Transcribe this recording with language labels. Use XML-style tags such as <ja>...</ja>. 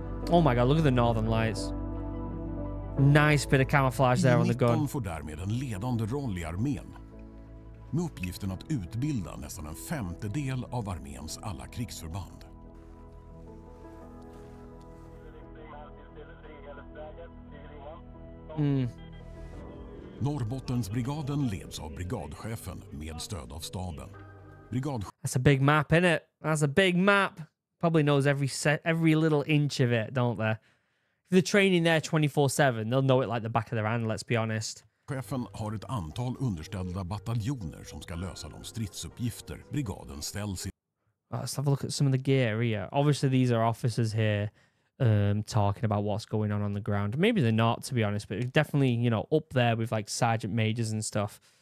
<en>Oh my god, look at the northern lights. Nice bit of camouflage there on the gun.</en> <sv>I-19 får därmed en ledande roll i armén. Med uppgiften att utbilda nästan en femtedel av arméns alla krigsförband. Norrbottensbrigaden leds av brigadchefen med stöd av staben.</sv> <en>That's a big map, isn't it? That's a big map. Probably knows every little inch of it, don't they? The training there 24/7, they'll know it like the back of their hand, let's be honest.</en> <sv>Chefen har ett antal underställda bataljoner som ska lösa de stridsuppgifter brigaden ställs i.</sv> <en>Let's have a look at some of the gear here. Obviously, these are officers here talking about what's going on the ground. Maybe they're not, to be honest, but definitely, you know, up there with like sergeant majors and stuff.</en>